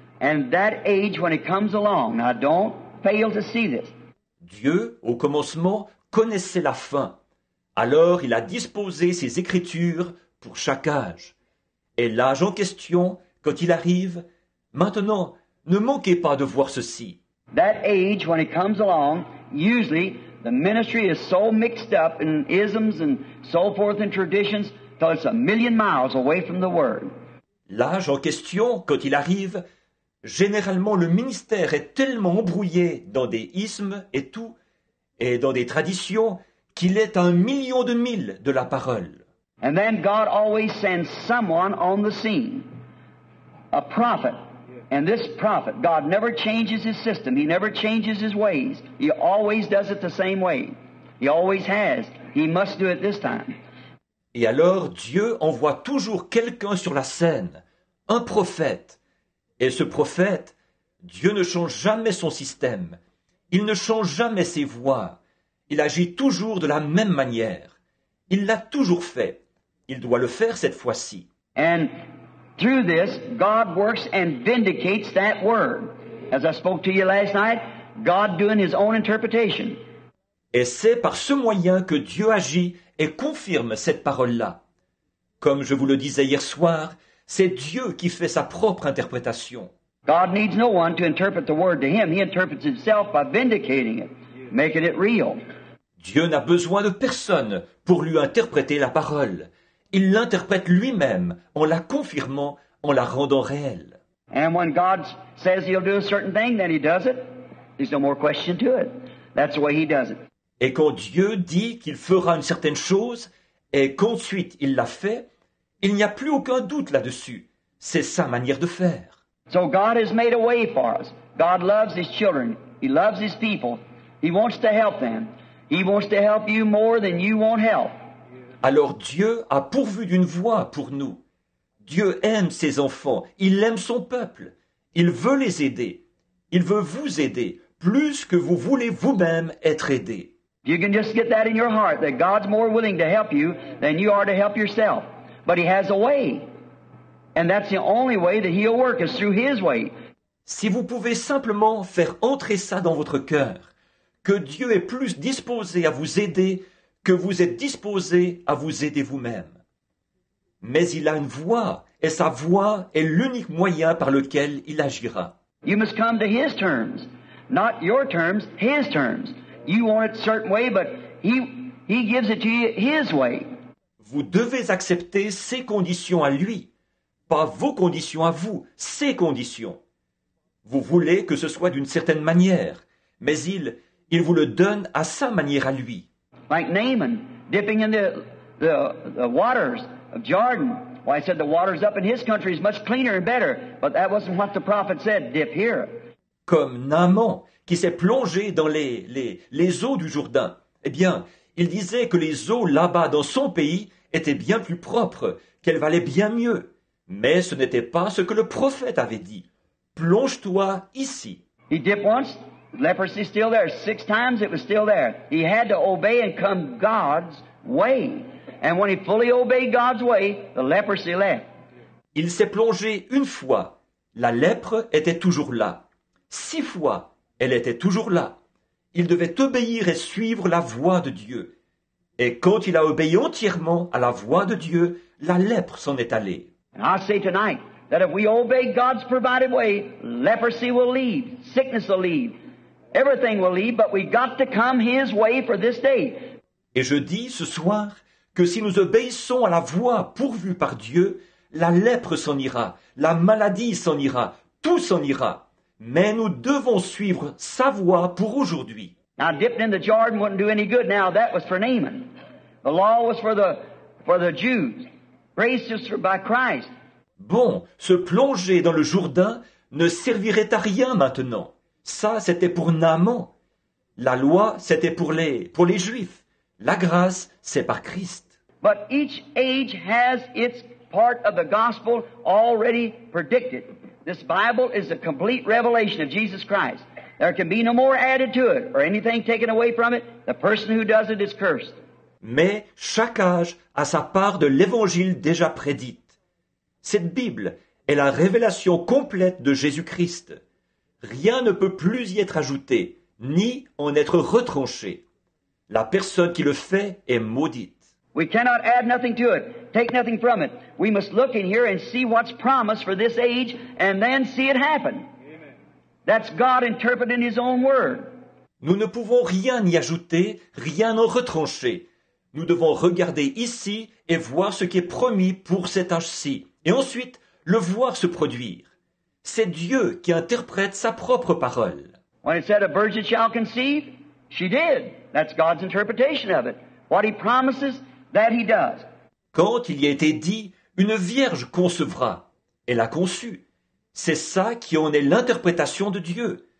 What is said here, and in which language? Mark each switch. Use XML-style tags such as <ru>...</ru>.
<en>And that age, when it comes along, now don't fail to see this.</en> <fr>Dieu, au commencement, connaissait la fin. Alors, il a disposé ses écritures pour chaque âge. Et l'âge en question, quand il arrive, maintenant, ne manquez pas de voir ceci.</fr> <en>That age, when it comes along, usually the ministry is so mixed up in isms and so forth and traditions, till it's a million miles away from the Word.</en> <fr>L'âge en question, quand il arrive, généralement, le ministère est tellement embrouillé dans des ismes et tout, et dans des traditions, qu'il est à un million de milles de la parole.</fr> <en>And then God always sends someone on the scene, a prophet. And this prophet, God never changes his system. He never changes his ways. He always does it the same way. He always has. He must do it this time.</en> <fr>Et alors, Dieu envoie toujours quelqu'un sur la scène, un prophète. Et ce prophète, Dieu ne change jamais son système. Il ne change jamais ses voies. Il agit toujours de la même manière. Il l'a toujours fait. Il doit le faire cette fois-ci.</fr> <en>And through this, God works and vindicates that word. As I spoke to you last night, God doing his own interpretation.</en> <fr>Et c'est par ce moyen que Dieu agit et confirme cette parole-là. Comme je vous le disais hier soir, c'est Dieu qui fait sa propre interprétation.</fr> <en>God needs no one to interpret the word to him. He interprets himself by vindicating it, making it real.</en> <fr>Dieu n'a besoin de personne pour lui interpréter la parole. Il l'interprète lui-même en la confirmant, en la rendant réelle.</fr> <en>And when God says he'll do a certain thing, then he does it. There's no more question to it. That's the way he does it.</en> <fr>Et quand Dieu dit qu'il fera une certaine chose et qu'ensuite il l'a fait, il n'y a plus aucun doute là-dessus. C'est sa manière de faire.</fr> <en>So God has made a way for us. God loves his children. He loves his people. He wants to help them. He wants to help you more than you want help.</en> <fr>Alors Dieu a pourvu d'une voie pour nous. Dieu aime ses enfants. Il aime son peuple. Il veut les aider. Il veut vous aider plus que vous voulez vous-même être aidé.</fr> <en>You can just get that in your heart that God's more willing to help you than you are to help yourself. But he has a way. And that's the only way that he'll work is through his way.</en> <fr>Si vous pouvez simplement faire entrer ça dans votre cœur, que Dieu est plus disposé à vous aider que vous êtes disposé à vous aider vous-même. Mais il a une voie, et sa voie est l'unique moyen par lequel il agira.</fr> <en>You must come to his terms, not your terms, his terms. You want it a certain way, but he gives it to you his way.</en> <fr>Vous devez accepter ses conditions à lui, pas vos conditions à vous, ses conditions. Vous voulez que ce soit d'une certaine manière, mais il vous le donne à sa manière à lui.</fr> <en>Like Naaman, dipping in the waters of Jordan. Well, I said the waters up in his country is much cleaner and better, but that wasn't what the prophet said, dip here.</en> <fr>Comme Naaman, qui s'est plongé dans les eaux du Jourdain. Eh bien, il disait que les eaux là-bas dans son pays étaient bien plus propres, qu'elles valaient bien mieux. Mais ce n'était pas ce que le prophète avait dit. Plonge-toi ici.</fr> <en>He dipped once, leprosy still there. Six times it was still there. He had to obey and come God's way. And when he fully obeyed God's way, the leprosy left.</en> <fr>Il s'est plongé une fois. La lèpre était toujours là. Six fois, elle était toujours là. Il devait obéir et suivre la voie de Dieu. Et quand il a obéi entièrement à la voie de Dieu, la lèpre s'en est allée.</fr> <en>And I say tonight that if we obey God's provided way, leprosy will leave, sickness will leave, everything will leave, but we've got to come His way for this day.</en> <fr>Et je dis ce soir que si nous obéissons à la voie pourvue par Dieu, la lèpre s'en ira, la maladie s'en ira, tout s'en ira. Mais nous devons suivre sa voie pour aujourd'hui.</fr> <en>Now dipping in the Jordan wouldn't do any good. Now that was for Naaman. The law was for the Jews. Grace is by Christ.</en> <fr>Bon, se plonger dans le Jourdain ne servirait à rien maintenant. Ça, c'était pour Naaman. La loi, c'était pour les Juifs. La grâce, c'est par Christ.</fr> <en>But each age has its part of the gospel already predicted. This Bible is a complete revelation of Jesus Christ. There can be no more added to it or anything taken away from it. The person who does it is cursed.</en> <fr>Mais chaque âge a sa part de l'évangile déjà prédite. Cette Bible est la révélation complète de Jésus-Christ. Rien ne peut plus y être ajouté, ni en être retranché. La personne qui le fait est maudite.</fr> <en>We cannot add nothing to it. Take nothing from it. We must look in here and see what's promised for this age and then see it happen. Amen. That's God interpreting His own word.</en> <fr>Nous ne pouvons rien y ajouter, rien en retrancher. Nous devons regarder ici et voir ce qui est promis pour cet âge-ci et ensuite le voir se produire. C'est Dieu qui interprète sa propre parole.</fr> <en>When it said a virgin shall conceive, she did. That's God's interpretation of it. What He promises, that He does.</en> <fr>Quand il y a été dit « Une Vierge concevra », elle a conçu. C'est ça qui en est l'interprétation de Dieu.</fr>